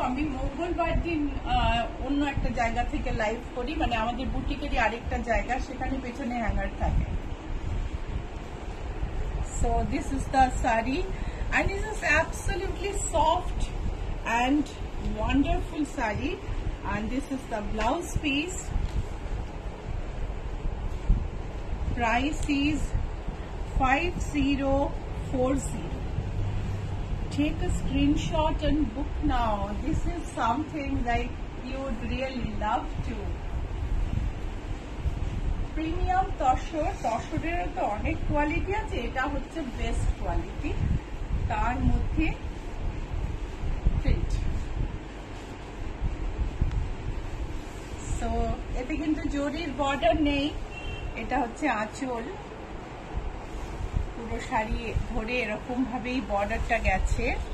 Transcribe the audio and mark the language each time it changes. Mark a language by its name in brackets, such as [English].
[Bangla] আমি মঙ্গলবার দিন অন্য একটা জায়গা থেকে লাইভ করি, মানে আমাদের বুটিকেরই আরেকটা জায়গা, সেখানে পেছনে হ্যাঙ্গার থাকে। [English] So this is the sari and this is absolutely soft and wonderful sari, and this is the blouse piece. Price is 5040. Take a screenshot and book now. This is something like you would really love to. [Bangla] Premium tussar, তসরের তো অনেক quality আছে, এটা হচ্ছে best quality, তার মধ্যে print. So এতে কিন্তু জরির বর্ডার নেই, এটা হচ্ছে আঁচল, পুরো শাড়ি ধরে এরকম ভাবেই বর্ডারটা গেছে।